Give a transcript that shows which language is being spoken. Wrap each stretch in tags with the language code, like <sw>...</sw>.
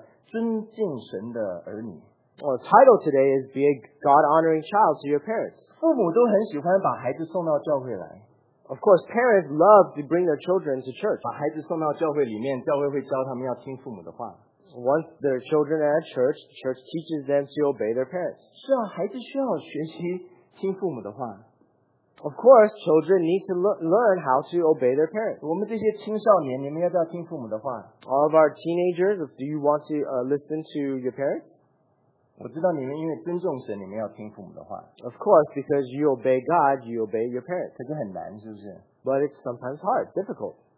<zh>今天正道的主题是在父母面前做一个尊敬神的儿女。</zh> <en>Well, the title today is Be a God-Honoring Child to Your Parents.</en> <zh>父母都很喜欢把孩子送到教会来。</zh> <en>Of course, parents love to bring their children to church.</en> <zh>把孩子送到教会里面,教会会教他们要听父母的话。</zh> <en>Once their children are at church, the church teaches them to obey their parents.</en> <zh>是啊,孩子需要学习听父母的话。</zh> <en>Of course, children need to learn how to obey their parents.</en> <zh>我们这些青少年,你们要不要听父母的话?</zh> <en>All of our teenagers, do you want to listen to your parents?</en> <zh>我知道你们因为尊重神，你们要听父母的话。Of</zh> <en>course, because you obey God, you obey your parents.</en> <zh>可是很难，是不是?</zh> <en>But it's sometimes hard, difficult.</en>